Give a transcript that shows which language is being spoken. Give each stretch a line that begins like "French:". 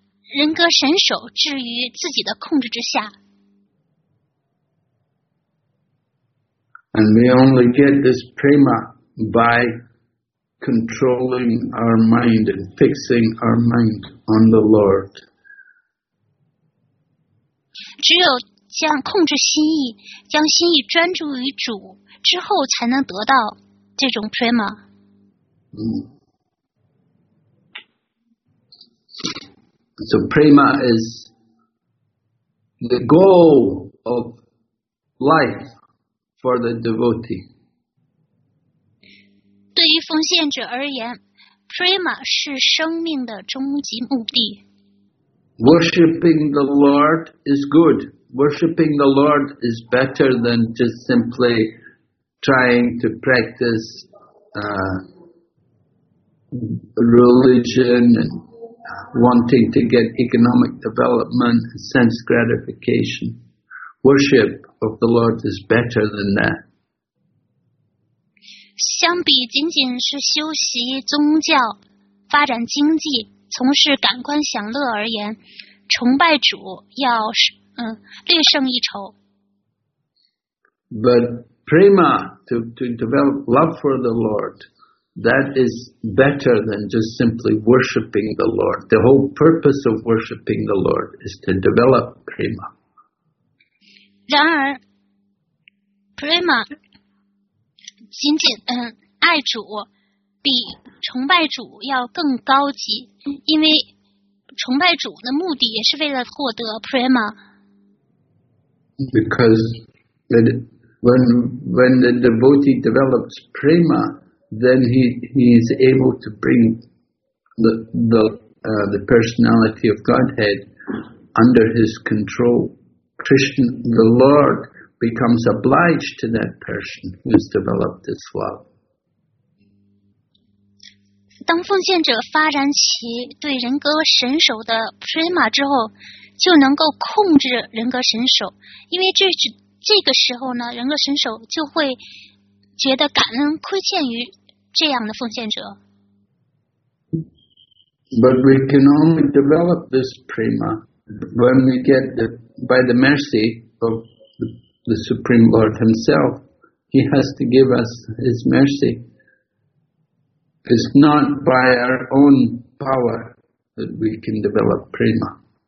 Chinese: 人格神手置于自己的控制之下。
English: And we only get this prema by controlling our mind and fixing our mind on the Lord.
Chinese: 只有将控制心意，将心意专注于主之后，才能得到这种 prema。
English: So prema is the goal of life for the devotee.
Chinese: 对于奉献者而言 ，prema 是生命的终极目的。
English: Worshipping the Lord is good. Worshipping the Lord is better than just simply trying to practice religion and. Wanting to get economic development, sense gratification. Worship of the Lord is better than that.
Chinese: 相比仅仅是修习宗教、发展经济、从事感官享乐而言，崇拜主要略胜一筹。
English: But prema, to develop love for the Lord,That is better than just simply worshipping the Lord. The whole purpose of worshipping the Lord is to develop prema.
Chinese: 然而 prema 仅仅爱主比崇拜主要更高级，因为崇拜主的目的也是为了获得 prema。
English: Because when the devotee develops prema, then he is able to bring the personality of Godhead under his control. Krishna, the Lord, becomes obliged to that person who has developed this love.
Chinese: 当奉献者发展起对人格神手的 prema 之后，就能够控制人格神手，因为这个时候呢，人格神手就会觉得感恩亏欠于这样的奉献者。
English: But we can only develop this prema when we get by the mercy of the Supreme Lord Himself. He has to give us His mercy. It's not by our own power that we can develop prema.